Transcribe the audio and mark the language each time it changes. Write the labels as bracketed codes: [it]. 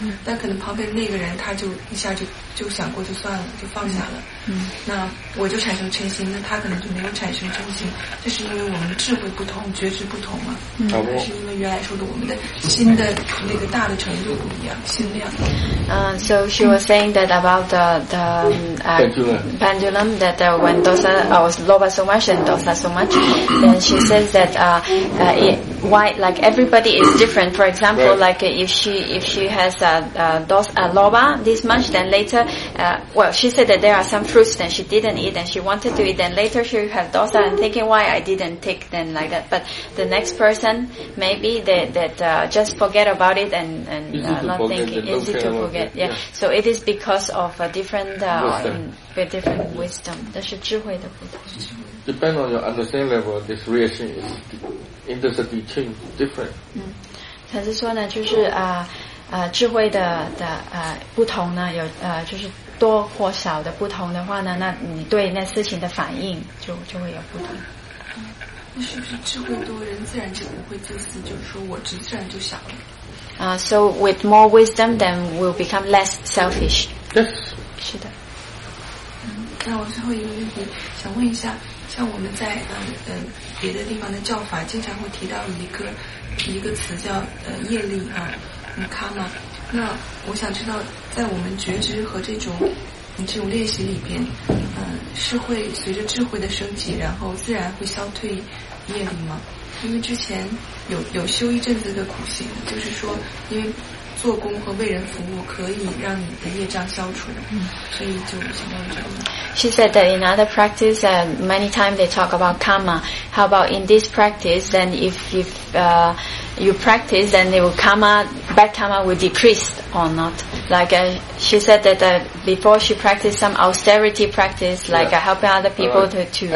[zh] 但可能旁边那个人他就一下就想过就算了，就放下了。那我就产生嗔心，那他可能就没有产生嗔心，这是因为我们智慧不同，觉知不同嘛。还是因为原来说的我们的心的那个大的程度不一样，心量。 [en] So she was saying that about the pendulum that when dosa or loba so much and dosa so much, then she says that why like everybody is different. For example, like if she has dosa loba this much, then later, well, she said that there are some fruits that she didn't eat and she wanted to eat, then later she have dosa and thinking why I didn't take them like that. But the next person maybe that just forget about it and not thinking easy to forget. Yeah. Yeah, so it is because of a different with different wisdom. That is [zh] 智慧的不同。 [en] Depend on your understanding level, this reaction is intensity change different. [zh] 禅师说呢，就是智慧的不同呢，有就是多或少的不同的话呢，那你对那事情的反应就会有不同。那是不是智慧多，人自然就不会自私，就是说我自然就小了。 [en] So with more wisdom, then we'll become less selfish. Yes. [zh] 是的。那我最后一个问题想问一下，像我们在别的地方的教法经常会提到一个词叫业力啊，karma。那我想知道，在我们觉知和这种练习里边，是会随着智慧的升级，然后自然会消退业力吗？因为之前有修一阵子的苦行，就是说因为做工和为人服务可以让你的业障消除，所以就想到这个。 [en] She said that in other practice, many times they talk about karma. How about in this practice, then if you practice, then the bad karma will decrease or not. Like she said that before she practiced some austerity practice, like helping other people to